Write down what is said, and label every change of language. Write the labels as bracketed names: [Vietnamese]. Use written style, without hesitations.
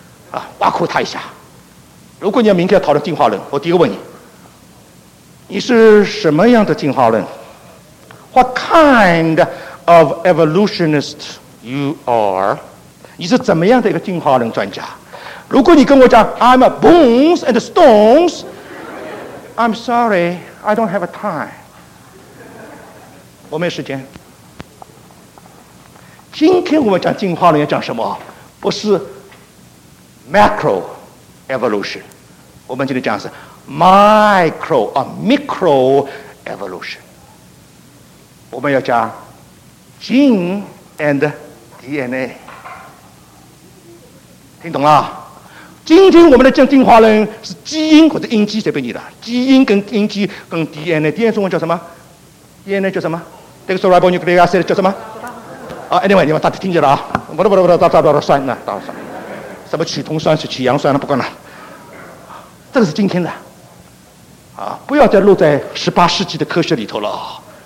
[Chinese] 啊，挖苦他一下。如果你要明天要讨论进化论，我第一个问你，你是什么样的进化论 ？ [English] What kind of evolutionist you are？ [Chinese] 你是怎么样的一个进化论专家？如果你跟我讲 [English] I'm a bones and stones。 I'm sorry, I don't have a time. [Chinese] 我没有时间。今天我们讲进化论要讲什么？不是 [English] macro evolution， [Chinese] 我们今天讲的是 [English] micro or micro evolution。 [Chinese] 我们要讲 [English] gene and DNA。 [Chinese] 听懂了？今天我们的进化论是基因或者因基，随便你的基因跟因基跟 DNA，DNA 中文叫什么 ？DNA 叫什么 ？Deoxyribonucleic acid 叫什么？啊 ，Anyway， 你们大家听见了啊？不，那当然算，什么曲酮酸是曲阳酸了，不管了。这个是今天的，啊，不要再落在18世纪的科学里头了。